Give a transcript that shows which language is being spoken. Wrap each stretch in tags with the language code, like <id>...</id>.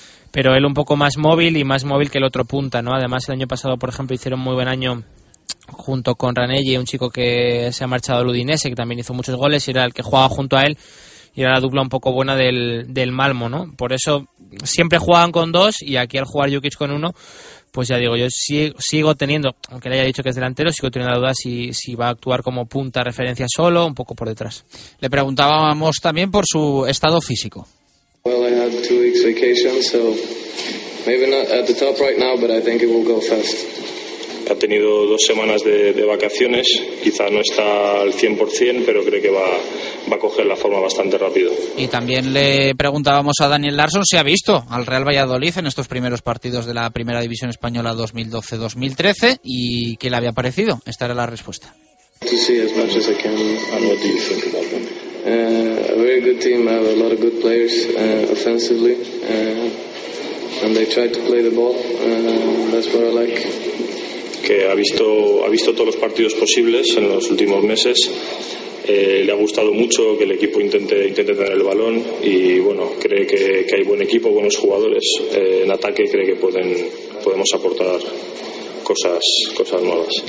<es>Pero él un poco más móvil, y más móvil que el otro punta, ¿no? Además, el año pasado, por ejemplo, hicieron muy buen año junto con Ranelli, un chico que se ha marchado al Udinese, que también hizo muchos goles, y era el que jugaba junto a él, y era la dupla un poco buena del Malmo, ¿no? Por eso siempre jugaban con dos, y aquí al jugar Jukic con uno, pues ya digo, yo sigo teniendo, aunque le haya dicho que es delantero, sigo teniendo la duda si va a actuar como punta referencia solo, un poco por detrás. Le preguntábamos también por su estado físico.</es> <en>Well, I had 2 weeks vacation, so maybe not at the top right now, but I think it will go fast.</en> <es>Ha tenido 2 semanas de vacaciones, quizá no está al 100%, pero cree que va a coger la forma bastante rápido. Y también le preguntábamos a Daniel Larsson si ha visto al Real Valladolid en estos primeros partidos de la Primera División Española 2012-2013 y qué le había parecido. Esta era la respuesta.</es> <en>To see as much as I can. And what do you think about them? A very good team, have a lot of good players offensively, and they try to play the ball. That's what I like.</en> <es>Que ha visto todos los partidos posibles en los últimos meses. Le ha gustado mucho que el equipo intente tener el balón y bueno, cree que hay buen equipo, buenos jugadores en ataque, cree que podemos aportar cosas nuevas.</es>